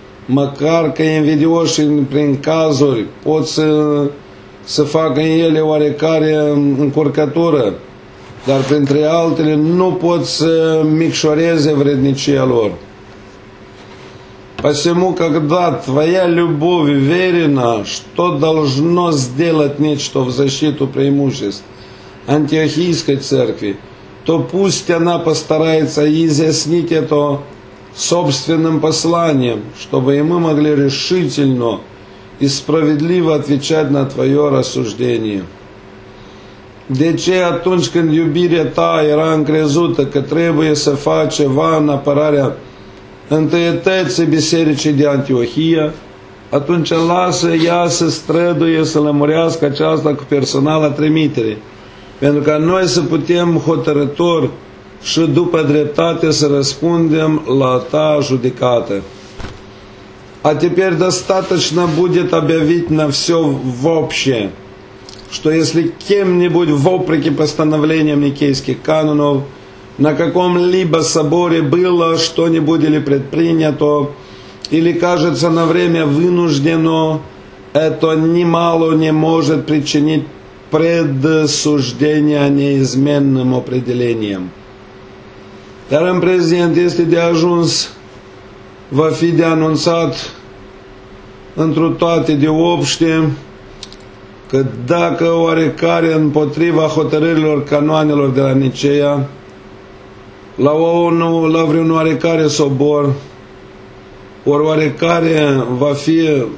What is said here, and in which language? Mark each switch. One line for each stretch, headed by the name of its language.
Romanian: Măcar că invidioși prin cazuri pot să facă în ele oarecare încurcătură, dar printre altele nu pot să micșoreze vrednicia lor.
Russian: Посему, когда твоя любовь верена, что должно сделать нечто в защиту преимуществ Антиохийской церкви, то пусть она постарается изъяснить это собственным посланием, чтобы и мы могли решительно и справедливо отвечать на твое рассуждение.
Romanian: Deci atunci când iubirea ta era încrezută că trebuie să faci ceva în apărarea întâietății Bisericii de Antiohia, atunci lasă ea să străduie să lămurească aceasta cu personala trimitere, pentru că noi să putem hotărător și după dreptate să răspundem la ta judecată.
Russian: А теперь достаточно будет объявить на все в общее, что если кем-нибудь вопреки постановлениям Никейских канонов на каком-либо соборе было что-нибудь или предпринято, или кажется на время вынуждено, это немало не может причинить предсуждения неизменным определением.
Romanian: Dar în prezent este de ajuns, va fi de anunțat întru toate de obște, că dacă oarecare împotriva hotărârilor canoanelor de la Niceea, la vreun oarecare sobor, ori oarecare va fi